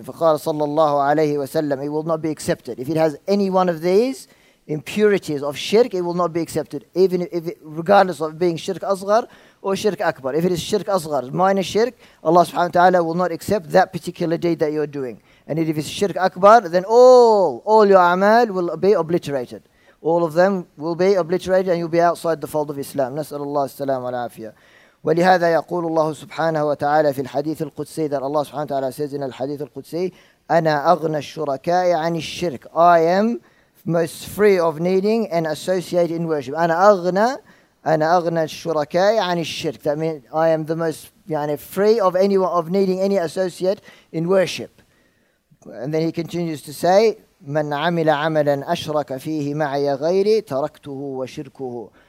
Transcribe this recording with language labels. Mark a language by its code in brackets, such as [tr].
[ar] فَقَالَ صَلَّى اللَّهُ عَلَيْهِ وَسَلَّمْ. [en] It will not be accepted. If it has any one of these impurities of shirk, it will not be accepted, even if it, regardless of being shirk asghar or shirk akbar. If it is shirk asghar, minor shirk, Allah subhanahu wa ta'ala will not accept that particular deed that you're doing. And if it's shirk akbar, then all your amal will be obliterated. All of them will be obliterated and you'll be outside the fold of Islam. [ar] نسأل الله السلام والعافية. ولهذا يقول الله سبحانه وتعالى في الحديث القدسي, [en] that Allah [ar] سبحانه وتعالى [en] says in [ar] الحديث القدسي, أنا أغنى الشركاء عن الشرك. [en] I am most free of needing and associate in worship. [ar] أنا أغنى الشركاء عن الشرك. [en] That means I am the most free of anyone of needing any associate in worship. And then he continues to say, [ar] مَنْ عَمِلَ عَمَلًا أَشْرَكَ فِيهِ مَعَيَ غَيْرِ تَرَكْتُهُ وَشِرْكُهُ.